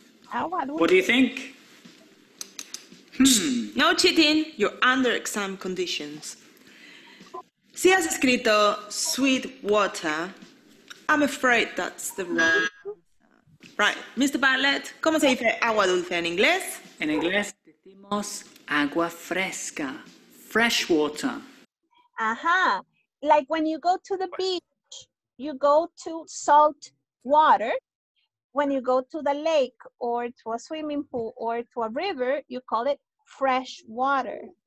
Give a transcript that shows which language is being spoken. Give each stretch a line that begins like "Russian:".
English: What do you think? No cheating, you're under exam conditions.
Spanish: Si has escrito
English: sweet water, I'm afraid that's the wrong. Right, Mr.
Spanish: Bartlett, ¿cómo se dice agua dulce en inglés? En inglés decimos agua fresca, fresh water.
English: Ajá, like when you go to the beach, you go to salt water. When you go to the lake or to a swimming pool or to a river, you call it fresh water.